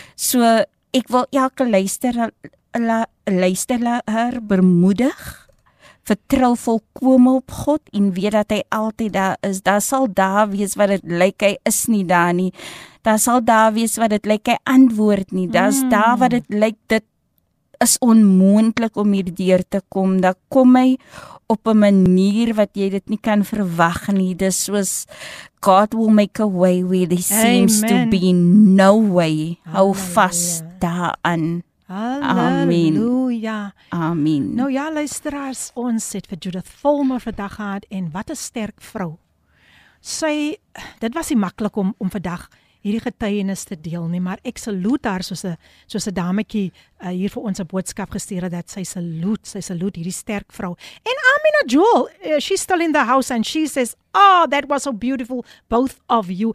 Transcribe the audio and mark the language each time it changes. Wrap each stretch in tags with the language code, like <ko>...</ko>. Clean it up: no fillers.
<af>So ek wil elke luisteraar bemoedig, vertrou volkome op God en weet dat hy altyd daar is. Daar sal daar wees wat dit lyk hy is nie daar nie. Daar sal daar wees wat dit lyk hy antwoord nie. Daar's daar wat dit lyk dit is onmoontlik om hier deur te kom. Daar kom hy op 'n manier wat jy dit nie kan verwag nie. Dis soos</af> <en>God will make a way where there seems to be no way.</en> <af>Hou vas daaraan. Halleluja. Amen. Nou ja, luisteraars, ons het vir Judith Volmer vandag gehad en wat 'n sterk vrou. Sy, dit was nie maklik om vandag hierdie getuienis te deel nie, maar ek saluut haar soos 'n dametjie hier vir ons 'n boodskap gestuur het dat sy saluut hierdie sterk vrou. En</af> <en>Amina Joel, she's still in the house and she says, "Oh, that was so beautiful, both of you."</en>